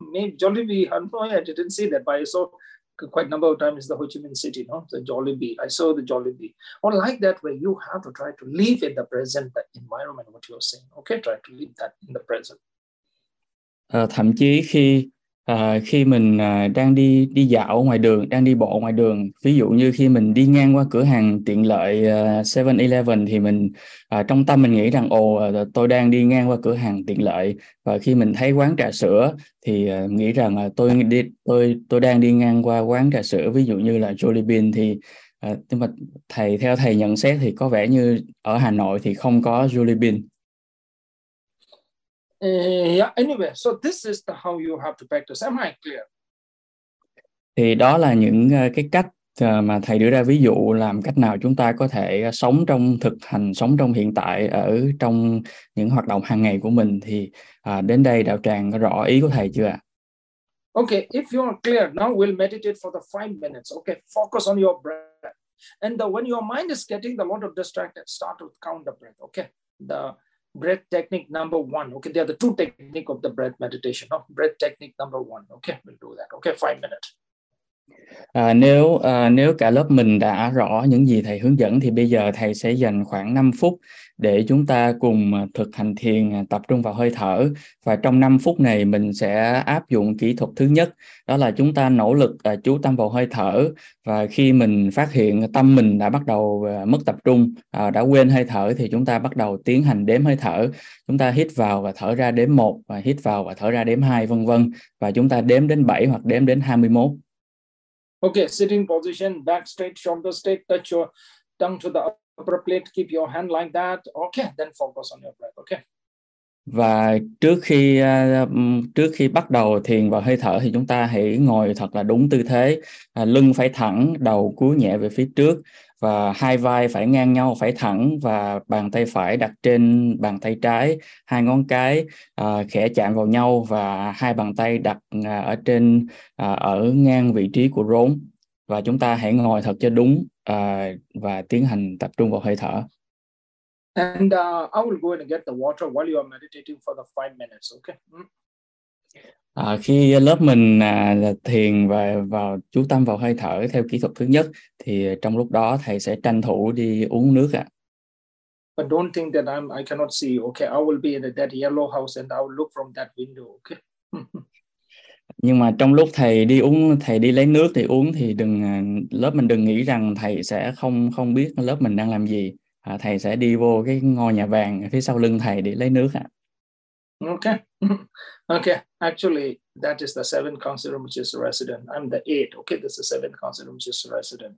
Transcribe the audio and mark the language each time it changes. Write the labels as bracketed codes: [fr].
[en] Maybe Jollibee, Hanoi, I didn't see that, but I saw quite a number of times the Ho Chi Minh City, no? The Jollibee, I saw the Jollibee. Or like that, where you have to try to live in the present, the environment, what you're saying. Okay, try to live that in the present. [vi] Thậm chí khi mình đang đi dạo ngoài đường, đang đi bộ ngoài đường, ví dụ như khi mình đi ngang qua cửa hàng tiện lợi 7-Eleven thì mình trong tâm mình nghĩ rằng ồ, tôi đang đi ngang qua cửa hàng tiện lợi, và khi mình thấy quán trà sữa thì nghĩ rằng tôi đang đi ngang qua quán trà sữa, ví dụ như là Jollibee. Thì nhưng mà thầy theo thầy nhận xét thì có vẻ như ở Hà Nội thì không có Jollibee. [en] Yeah, anyway, so this is the how you have to practice. Am I clear? [vi] Thì đó là những cái cách mà thầy đưa ra ví dụ làm cách nào chúng ta có thể sống trong thực hành, sống trong hiện tại ở trong những hoạt động hàng ngày của mình. Thì đến đây đạo tràng rõ ý của thầy chưa ạ? [en] Okay, if you are clear, now we'll meditate for the 5 minutes. Okay, focus on your breath. And when your mind is getting a lot of distracted, start with count the breath. Okay, the breath technique number one. Okay, there are the two technique of the breath meditation. No? Breath technique number one. Okay, we'll do that. Okay, 5 minutes. [vi] Nếu cả lớp mình đã rõ những gì thầy hướng dẫn thì bây giờ thầy sẽ dành khoảng 5 phút để chúng ta cùng thực hành thiền tập trung vào hơi thở. Và trong 5 phút này mình sẽ áp dụng kỹ thuật thứ nhất, đó là chúng ta nỗ lực chú tâm vào hơi thở. Và khi mình phát hiện tâm mình đã bắt đầu mất tập trung, đã quên hơi thở, thì chúng ta bắt đầu tiến hành đếm hơi thở. Chúng ta hít vào và thở ra đếm 1, và hít vào và thở ra đếm 2, vân vân. Và chúng ta đếm đến 7 hoặc đếm đến 21. [en] Okay, sitting position, back straight, shoulder straight, touch your tongue to the upper plate, keep your hand like that. Okay, then focus on your breath, okay? [vi] Và trước khi bắt đầu thiền vào hơi thở thì chúng ta hãy ngồi thật là đúng tư thế, lưng phải thẳng, đầu cúi nhẹ về phía trước và hai vai phải ngang nhau, phải thẳng và bàn tay phải đặt trên bàn tay trái, hai ngón cái khẽ chạm vào nhau và hai bàn tay đặt ở trên ở ngang vị trí của rốn. Và chúng ta hãy ngồi thật cho đúng và tiến hành tập trung vào hơi thở. [en] And I will go and get the water while you are meditating for the 5 minutes, okay? [vi] Khi lớp mình thiền và vào chú tâm vào hơi thở theo kỹ thuật thứ nhất, thì trong lúc đó thầy sẽ tranh thủ đi uống nước ạ. [en] But don't think that I cannot see, okay? I will be in that yellow house and I will look from that window, okay? [vi] Nhưng mà trong lúc thầy đi uống, thầy đi lấy nước thì uống, thì đừng, lớp mình đừng nghĩ rằng thầy sẽ không biết lớp mình đang làm gì. Thầy sẽ đi vô cái ngôi nhà vàng phía sau lưng thầy để lấy nước ạ. [en] Okay. Actually, that is the seventh council room which is resident. I'm the eighth. Okay, this is the seventh council room which is resident.